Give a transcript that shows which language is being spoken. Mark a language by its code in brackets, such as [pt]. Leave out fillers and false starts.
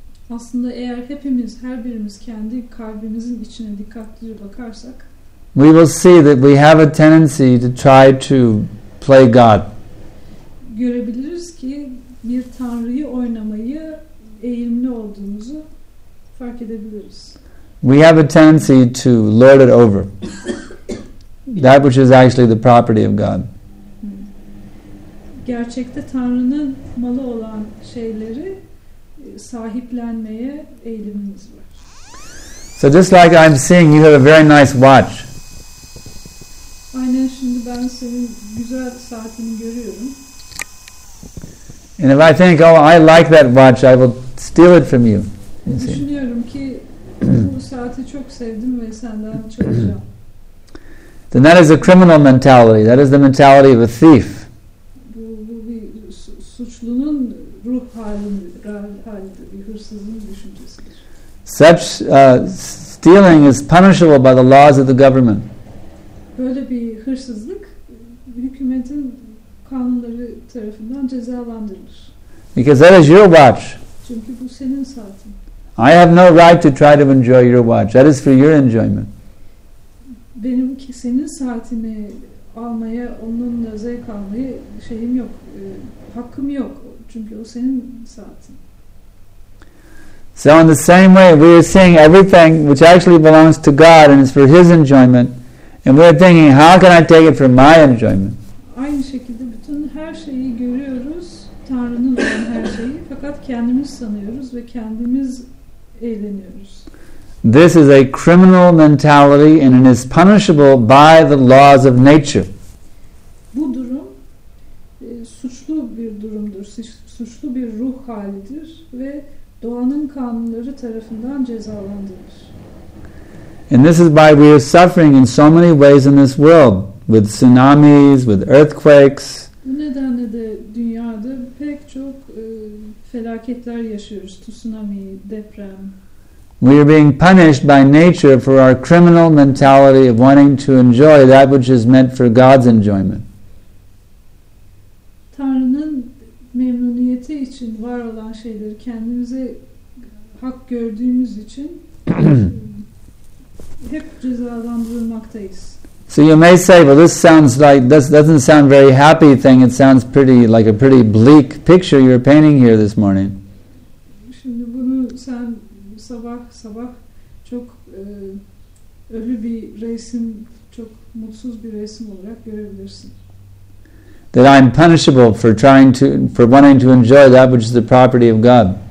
[tr] aslında eğer hepimiz, her birimiz kendi kalbimizin içine dikkatlice bakarsak, [en] we will see that we have a tendency to try to play God. [tr] Görebiliriz ki bir tanrıyı oynamayı eğilimli olduğumuzu fark edebiliriz. [en] We have a tendency to lord it over that which is actually the property of God. [tr] Gerçekte Tanrı'nın malı olan şeyleri sahiplenmeye eğilimimiz var. [en] So just like I'm seeing you have a very nice watch. [tr] Aynen şimdi ben senin güzel saatini görüyorum. [en] And if I think, oh, I like that watch, I will steal it from you. [tr] Düşünüyorum ki bu saati çok sevdim ve senden çalacağım. [en] Then that is a criminal mentality. That is the mentality of a thief. [tr] Bu bir suçlunun ruh halidir, bir hırsızın düşüncesidir. [en] Such stealing is punishable by the laws of the government. [tr] Böyle bir hırsızlık hükümetin kanunları tarafından cezalandırılır. [en] Because that is your watch. [tr] Çünkü bu senin saatin. [en] I have no right to try to enjoy your watch. That is for your enjoyment. [tr] Benim ki senin saatimi almaya, onunla zevk almaya şeyim yok. Hakkım yok. Çünkü o senin saatin. [en] So in the same way, we are seeing everything which actually belongs to God and is for His enjoyment, and we are thinking, how can I take it for my enjoyment? [tr] Aynı şekilde bütün her şeyi görüyoruz, Tanrı'nın olan her şeyi, fakat kendimiz sanıyoruz ve kendimiz eğleniyoruz. [en] This is a criminal mentality and it is punishable by the laws of nature. [tr] Bu durum suçlu bir durumdur, suçlu bir ruh halidir ve doğanın kanunları tarafından cezalandırılır. [en] And this is why we are suffering in so many ways in this world, with tsunamis, with earthquakes. [tr] Bu nedenle de dünyada pek çok felaketler yaşıyoruz. Tsunami, deprem. [en] We are being punished by nature for our criminal mentality of wanting to enjoy that which is meant for God's enjoyment. [tr] Tanrı'nın memnuniyeti için var olan şeyleri kendimize hak gördüğümüz için hep cezalandırılmaktayız. [en] So you may say, well, this sounds like, this doesn't sound very happy thing. It sounds pretty, like a pretty bleak picture you're painting here this morning. [tr] Şimdi bunu sen sabah çok ölü bir resim, çok mutsuz bir resim olarak görebilirsin. [en] That I'm punishable for wanting to enjoy that which is the property of God.